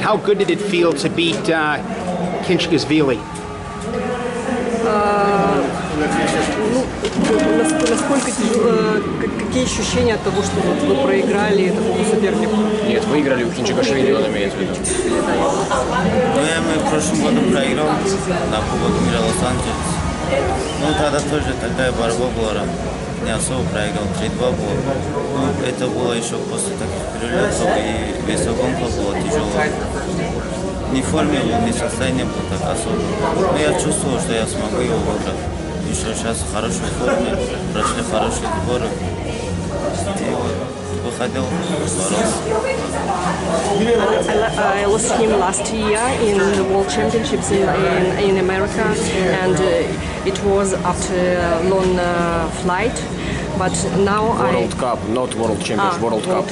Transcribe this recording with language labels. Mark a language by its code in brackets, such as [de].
[en] How good did it feel to beat Kinchikazvili? [ru] Насколько какие ощущения от того, что вот вы проиграли этому сопернику? Нет, выиграли у Кинчикашвили, он имеет в виду. Ну, мы в прошлом году проиграл на Кубок мира Лос-Анджелес. Ну, тогда тоже такая борьба была. Не особо проиграл, 3-2 было. Ну, это было еще после таких перелетов, и весь гонка было тяжело. Не в форме, не в состоянии был так особо. Но я чувствовал, что я смогу его выиграть. Еще сейчас в хорошей форме, прошли хорошие сборы. И вот, выходил, боролся. [en] I lost him last year in the World Championships in America, and it was after a long flight. But now World Cup, not World Championships, World Cup.